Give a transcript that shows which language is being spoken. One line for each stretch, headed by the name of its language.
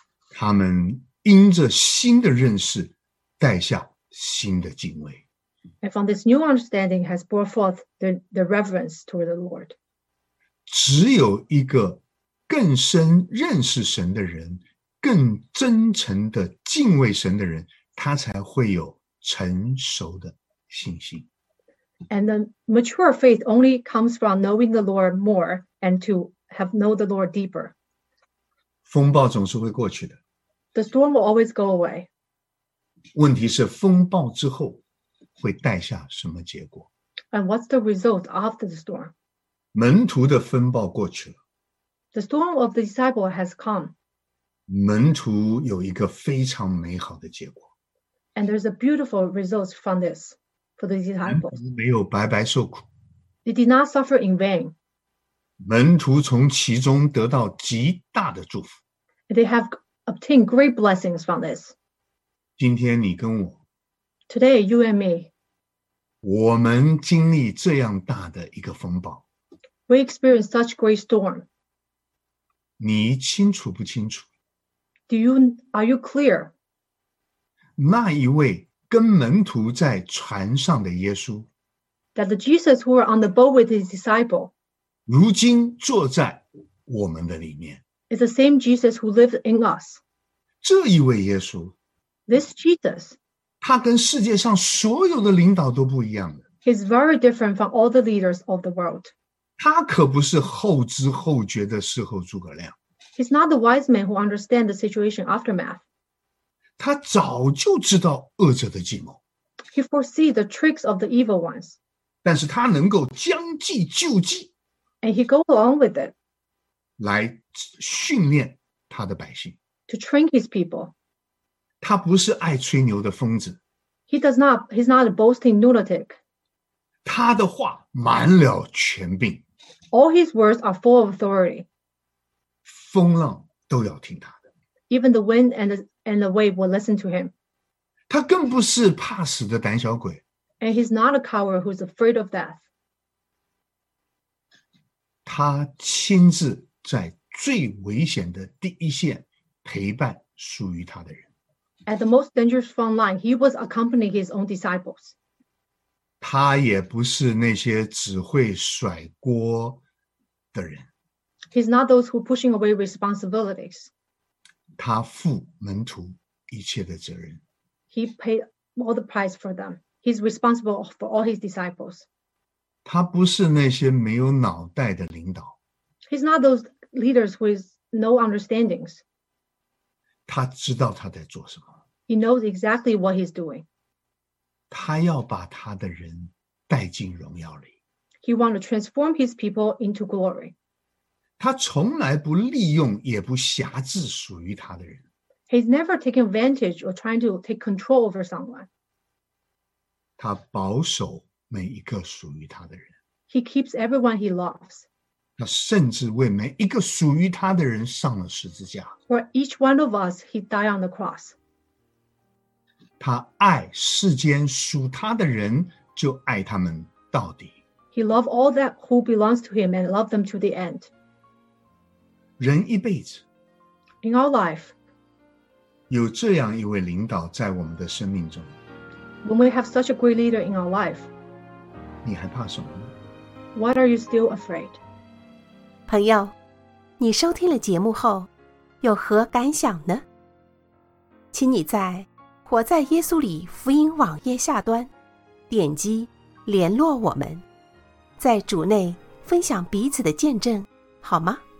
Chinese: 他们因着新的认识带下新的敬畏。
English: And from this new understanding has brought forth the reverence toward the Lord.
Chinese: 只有一个更深认识神的人，更真诚的敬畏神的人，他才会有成熟的信心。
English: And the mature faith only comes from knowing the Lord more and to have know the Lord deeper.
Chinese: 风暴总是会过去的。
English: The storm will always go away.
Chinese: 问题是风暴之后会带下什么结果？
English: And what's the result after the storm?
Chinese: 门徒的风暴过去了。
English: The storm of the disciple has come.
Chinese: 门徒有一个非常美好的结果。
English: And there's a beautiful result from this for the disciples.
Chinese: 门徒没有白白受苦。
English: They did not suffer in vain.
Chinese: 门徒从其中得到极大的祝福。
English: They have obtained great blessings from this.
Chinese: 今天你跟我。
English: Today, you and me.
Chinese: 我们经历这样大的一个风暴。
English: We experienced such great storm.
Chinese: 你清楚不清楚？
English: Are you clear?
Chinese: 那一位跟门徒在船上的耶稣
English: That the Jesus who were on the boat with his disciple
Chinese: 如今坐在我们的里面
English: is the same Jesus who lived in us.
Chinese: 这一位耶稣
English: This Jesus
Chinese: 他跟世界上所有的领导都不一样的
English: He's very different from all the leaders of the world.
Chinese: 他可不是后知后觉的事后诸葛亮
English: He's not the wise man who understands the situation aftermath.
Chinese: 他早就知道恶者的计谋。
English: He foresees the tricks of the evil ones.
Chinese: 但是他能够将计就计。
English: And he goes along with it.
Chinese: 来训练他的百姓。
English: To train his people.
Chinese: 他不是爱吹牛的疯子。
English: He's not a boasting lunatic.
Chinese: 他的话满了权柄。
English: All his words are full of authority.
Chinese: 风浪都要听他。
English: Even the wind and the wave will listen to him.
Chinese: 他更不是怕死的胆小鬼。
English: And he's not a coward who's afraid of death.
Chinese: 他亲自在最危险的第一线陪伴属于他的人。
English: At the most dangerous front line, he was accompanying his own disciples.
Chinese: 他也不是那些只会甩锅的人。
English: He's not those who are pushing away responsibilities.
Chinese: 他负门徒一切的责任。
English: He paid all the price for them. He's responsible for all his disciples.
Chinese: 他不是那些没有脑袋的领导。
English: He's not those leaders with no understandings.
Chinese: 他知道他在做什么。
English: He knows exactly what he's doing.
Chinese: 他要把他的人带进荣耀里。
English: He wants to transform his people into glory.
Chinese: 他从来不利用也不辖制属于他的人。
English: He's never taken advantage or trying to take control over someone.
Chinese: 他保守每一个属于他的人。
English: He keeps everyone he loves.
Chinese: 他甚至为每一个属于他的人上了十字架。
English: For each one of us, he died on the cross.
Chinese: 他爱世间属他的人，就爱他们到底。
English: He loves all that who belongs to him and loves them to the end.
Chinese: 人一辈子
English: In our life
Chinese: 有这样一位领导在我们的生命中
English: When we have such a great leader in our life
Chinese: 你还怕什么呢
English: What are you still afraid?
Chinese: 朋友，你收听了节目后有何感想呢？请你在活在耶稣里福音网页下端点击联络我们，在主内分享彼此的见证好吗？